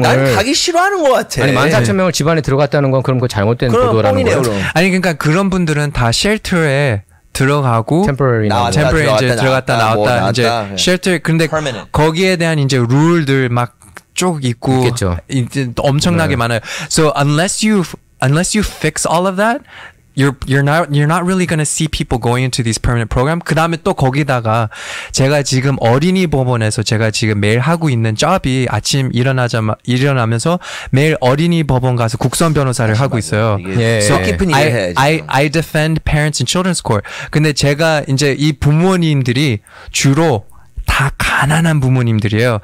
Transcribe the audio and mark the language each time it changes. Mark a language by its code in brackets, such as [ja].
[ko] 난 가기 싫어하는 것 같아. 아니 14,000명을 집안에 들어갔다는 건 그럼 그 잘못된 보도라는 거예요. 아니 그러니까 그런 분들은 다 shelter에 들어가고 [en] temporary [ko] 들어갔다 나왔다 이제 shelter 근데 permanent. 거기에 대한 이제 룰들 막 쪽 있고 있겠죠. 이제 엄청나게 네. 많아요. [en] So unless you fix all of that, you're not really gonna see people going into these permanent program. [ko] 그 다음에 또 거기다가 제가 지금 어린이 법원에서 제가 지금 매일 하고 있는 job이 아침 일어나면서 매일 어린이 법원 가서 국선 변호사를 하고 있어요. 예. 깊은 이해해. [en] I defend parents and children's court. [ko] 근데 제가 이제 이 부모님들이 주로 다 가난한 부모님들이에요.